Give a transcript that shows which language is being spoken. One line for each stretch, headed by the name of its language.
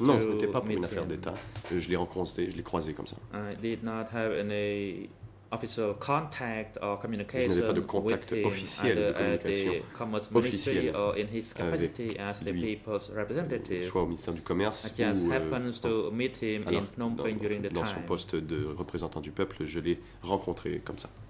French: Non, ce n'était pas pour une affaire d'État. Je l'ai rencontré, je l'ai croisé comme ça.
English: I did not have any official contact or communication.
French: Je n'avais pas de contact officiel de communication officiel
English: or in his capacity as the people's representative.
French: Soit au ministère du Commerce
English: I just happened to meet him in Phnom Penh during the time.
French: Dans son poste de représentant du peuple, je l'ai rencontré comme ça.